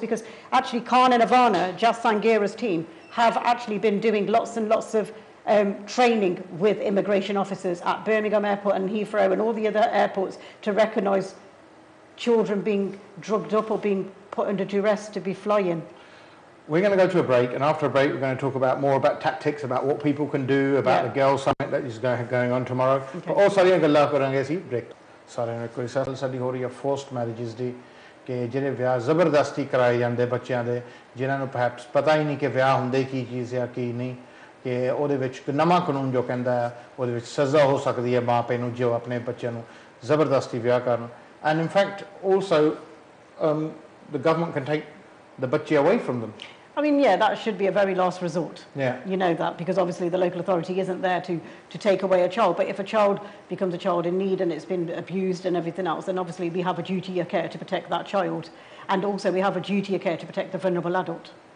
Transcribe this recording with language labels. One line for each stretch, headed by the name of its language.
English: Because actually Khan and Ivana, Jas Sanghera's team, have actually been doing lots and lots of training with immigration officers at Birmingham Airport and Heathrow and all the other airports to recognise children being drugged up or being put under duress to be flying. We're going to go to a break, and after a break we're going to talk about more about tactics, about what people can do, about the Girls Summit that is going on tomorrow. Okay. But also, I'm going to talk about this break. Sorry, I'm forced marriages.
Punjabi: ਜਿਹੜੇ ਵਿਆਹ ਜ਼ਬਰਦਸਤੀ ਕਰਾਏ ਜਾਂਦੇ ਬੱਚਿਆਂ ਦੇ, ਜਿਨ੍ਹਾਂ ਨੂੰ ਪਰਹੈਪਸ ਪਤਾ ਹੀ ਨਹੀਂ ਕਿ ਵਿਆਹ ਹੁੰਦੇ ਕੀ ਚੀਜ਼ ਆ ਕੀ ਨਹੀਂ, ਕਿ ਉਹਦੇ ਵਿੱਚ ਨਵਾਂ ਕਾਨੂੰਨ ਜੋ ਕਹਿੰਦਾ ਹੈ ਉਹਦੇ ਵਿੱਚ ਸਜ਼ਾ ਹੋ ਸਕਦੀ ਹੈ ਮਾਂ ਪੇ ਨੂੰ ਜੋ ਆਪਣੇ ਬੱਚਿਆਂ ਨੂੰ ਜ਼ਬਰਦਸਤੀ ਵਿਆਹ ਕਰਨ.
English: and in fact also the government can take the
Punjabi: ਬੱਚੇ
English: Away from them. I mean, yeah, that should be a very last resort. Yeah. You know that, because obviously the local authority isn't there to take away a child. But if a child becomes a child in need and it's been abused and everything else, then obviously we have a duty of care to protect that child. And also we have a duty of care to protect the vulnerable adult.